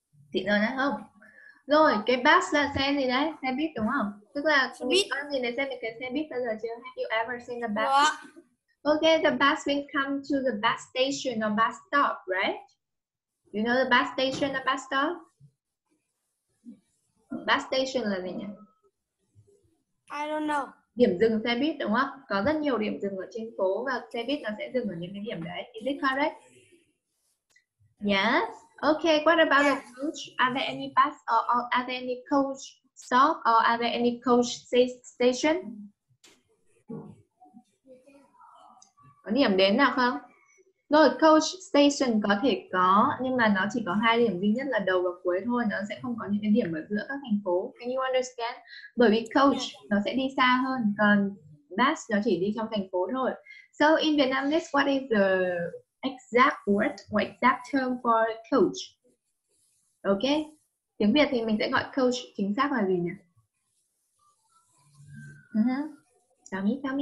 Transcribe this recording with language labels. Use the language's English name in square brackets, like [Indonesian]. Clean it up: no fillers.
[Vietnamese] Xịn hơn đấy không? Rồi, cái bus là xe gì đấy? Xe buýt đúng không? Tức là con nhìn thấy xem cái xe buýt bao giờ chưa? [English] Have you ever seen the bus? [Vietnamese] Đó. [English] Okay, the bus will come to the bus station or bus stop, right? You know the bus station or bus stop? [Vietnamese] Bus station là gì nhỉ? [English] I don't know. [Vietnamese] Điểm dừng xe buýt đúng không? Có rất nhiều điểm dừng ở trên phố và xe buýt nó sẽ dừng ở những cái điểm đấy. [English] Is it correct? Yes. Okay, what about the coach? Are there any bus or are there any coach stop or are there any coach station? [Vietnamese] Có điểm đến nào không? Rồi, coach station có thể có nhưng mà nó chỉ có hai điểm duy nhất là đầu và cuối thôi, nó sẽ không có những cái điểm ở giữa các thành phố. [English] Can you understand? [Vietnamese] Bởi vì coach nó sẽ đi xa hơn, còn bus nó chỉ đi trong thành phố thôi. [English] So in Vietnamese, what is the exact word or exact term for coach? [Vietnamese] Okay, tiếng Việt thì mình sẽ gọi coach chính xác là gì nhỉ?